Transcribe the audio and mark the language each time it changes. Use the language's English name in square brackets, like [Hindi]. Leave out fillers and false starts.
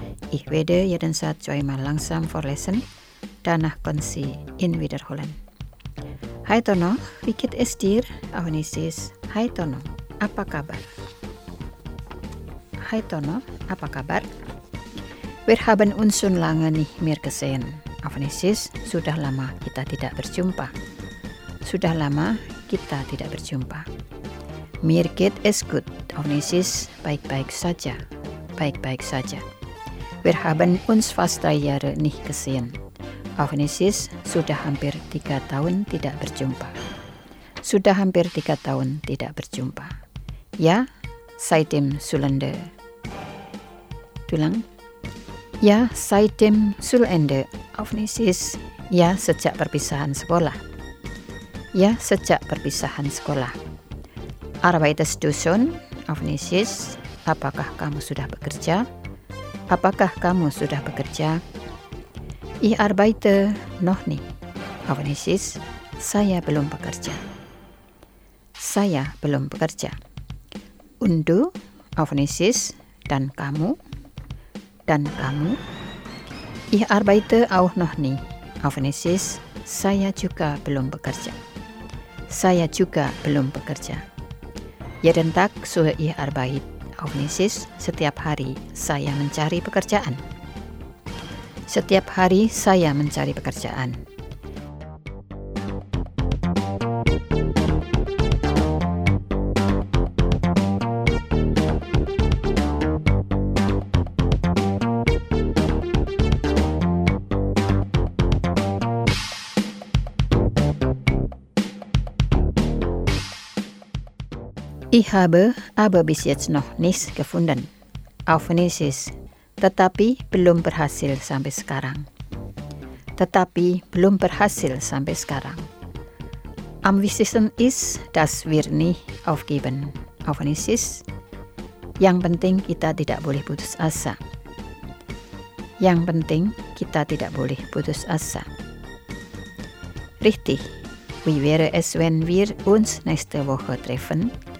[German] Ich werde jeden Satz zweimal langsam vorlesen, danach können Sie ihn wiederholen. Hi Tono, wie geht es dir? Auf Indonesisch, [Indonesian] hi Tono, apa kabar? Hi Tono, apa kabar? [German] Wir haben uns schon lange nicht mehr gesehen. [Indonesian] Auf Indonesisch, sudah lama kita tidak berjumpa. Sudah lama kita tidak berjumpa. [German] Mir geht es gut. Auf Indonesisch, [Indonesian] baik-baik saja. Baik-baik saja. [German] Wir haben uns fast drei Jahre nicht gesehen. Auf Indonesisch, [Indonesian] sudah hampir tiga tahun tidak berjumpa. Sudah hampir tiga tahun tidak berjumpa. [German] Ya, seitdem Sulende. Tulang. [Indonesian] Ya, [German] seitdem Sulende. Auf Indonesisch, [Indonesian] ya sejak perpisahan sekolah. Ya sejak perpisahan sekolah. [German] Arbeitest du schon? Auf Indonesisch, [Indonesian] apakah kamu sudah bekerja? Apakah kamu sudah bekerja? [German] Ich arbeite noch nicht. Auf Indonesisch, [Indonesian] saya belum bekerja. Saya belum bekerja. [German] Und du? Auf Indonesisch, [Indonesian] dan kamu? Dan kamu? [German] Ich arbeite auch noch nie. Auf Indonesisch, [Indonesian] saya juga belum bekerja. Saya juga belum bekerja. [German] Jeden Tag suche ich Arbeit. Auf Indonesisch, [Indonesian] setiap hari saya mencari pekerjaan. Setiap hari saya mencari pekerjaan. [German] Ich habe aber bis jetzt noch nichts gefunden. Auf Nisis. [Indonesian] Tetapi belum berhasil sampai sekarang. Tetapi belum berhasil sampai sekarang. [German] Am wichtigsten ist, dass wir nicht aufgeben. Auf Nisis. [Indonesian] Yang penting kita tidak boleh putus asa. Yang penting kita tidak boleh putus asa. [German] Richtig. Wie wäre es, wenn wir uns nächste Woche treffen?